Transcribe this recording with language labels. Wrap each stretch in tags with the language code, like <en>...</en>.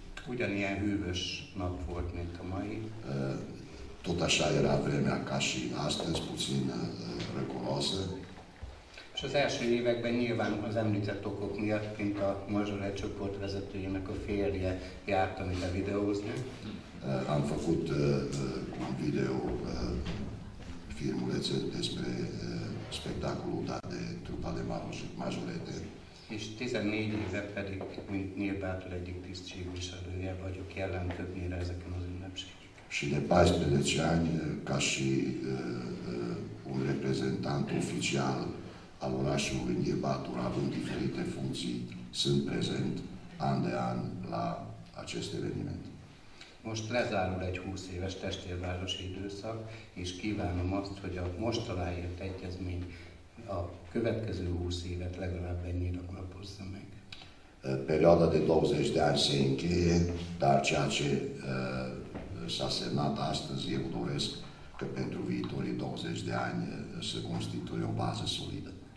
<hu>Ugyanilyen hűvös nap volt, mint a mai.</hu> <ro>Tot așa era vremea ca și astăzi, puțin răcoroasă.</ro> <hu>És az első években nyilván az említett okok miatt, mint a Mozsolet csoport vezetőjének a férje, jártam ide videózni.</hu> <ro>Am făcut un video filmulețe despre spectacolul dat de trupa de Mozsolete.</ro> <hu>És 14 éve pedig, mint Neil Bátor egyik tisztségviselője vagyok jelen többnyire ezeken az ünnepségeken.</hu> <ro>Și de 14 ani, ca și un reprezentant oficial al orașului Neil Bátor, având diferite funcții, sunt prezent an de an la acest eveniment.</ro> <hu>Most lezárul egy 20 éves testvérvárosi időszak, és kívánom azt, hogy a most aláírt egyezmény a következő 20 évet legalább ennyire alapozza meg.</hu> <ro>perioada de 20 de ani se încheie, dar ceea ce s-a semnat astăzi, eu doresc că pentru viitorii 20 de ani să constituie o bază solidă.</ro>